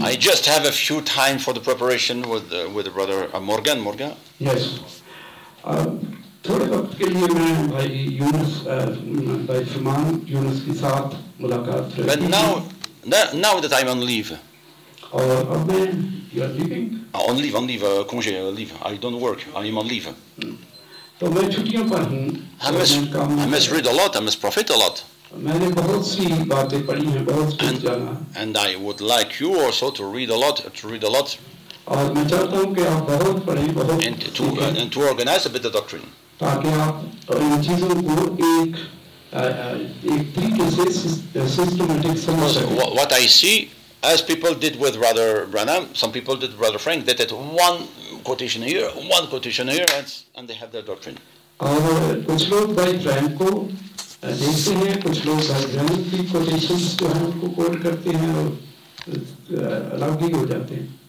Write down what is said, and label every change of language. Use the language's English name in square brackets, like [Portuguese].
[English] I just have a few time for the preparation with brother Morgan. Yes. [Hindi] थोड़े वक्त के लिए मैं भाई यूनुस भाई फरमान यूनुस के साथ मुलाकात करी. [English] But now that I'm on leave. [Hindi] और अब मैं [English] you are leaving? On leave, congé, leave. I don't work. I am on leave. [Hindi] तो मैं छुट्टियों पर हूँ. [English] I must read a lot. I must profit a lot. [Hindi] मैंने बहुत सी बातें पढ़ी हैं बहुत कुछ जाना. [English] And I would like you also to read a lot. [Hindi] और मैं चाहता हूँ कि आप बहुत पढ़ें बहुत. [English] And to organize a bit of doctrine. [Hindi] ताकि आप इन चीजों को एक एक तरीके से सिस्टमैटिक समझ सकें. [English] What I see, as people did with Brother Branham, some people did Brother Frank, they did one quotation here, and they have their doctrine. [Hindi] और कुछ लोग भाई ब्रैनम को देखते हैं, कुछ लोग भाई ब्रैनम की quotations को हैं उनको quote करते हैं और अलग ही हो जाते हैं.